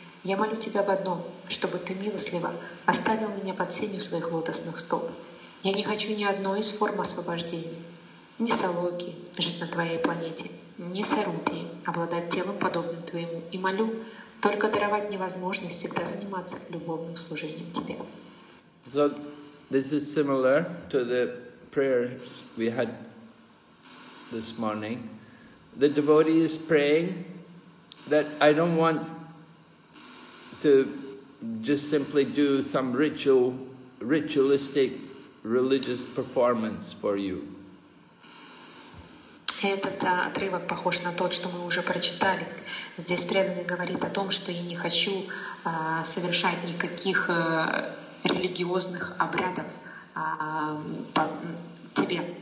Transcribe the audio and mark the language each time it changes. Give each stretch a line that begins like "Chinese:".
Russian: Я молю Тебя об одном, чтобы Ты милостливо оставил меня под сенью своих лотосных стоп. Я не хочу ни одной из форм освобождения. Ни салоки жить на Твоей планете, ни сарупии обладать телом, подобным Твоему. И молю только даровать мне возможность всегда заниматься любовным служением Тебе.
English: So, this is similar to the prayer we had this morning. The devotee is praying that I don't want to just simply do some ritualistic religious performance for you.
Russian: Этот отрывок похож на тот, что мы уже прочитали. Здесь преданный говорит о том, что я не хочу совершать никаких религиозных обрядов по тебе.